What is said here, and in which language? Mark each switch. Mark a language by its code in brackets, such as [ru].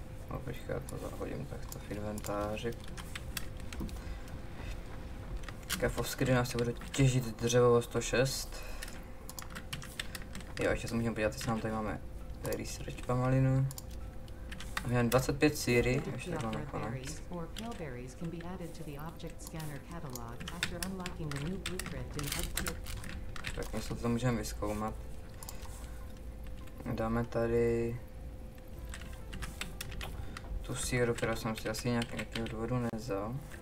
[cs] No počkej, já to zahodím takto v inventáři. Teďka v offscreenu asi budu těžit dřevo 106. Jo, ještě se můžeme podívat, jestli nám tady máme research pamalinu. Máme 25 síry, ještě takhle na konec. [en] Or pale berries can be added to the object scanner catalog after unlocking the new blueprint in Hub 2. [cs] Tak něco to můžeme vyzkoumat. Dáme tady tu síru, kterou jsem si asi nějakého důvodu nevzal.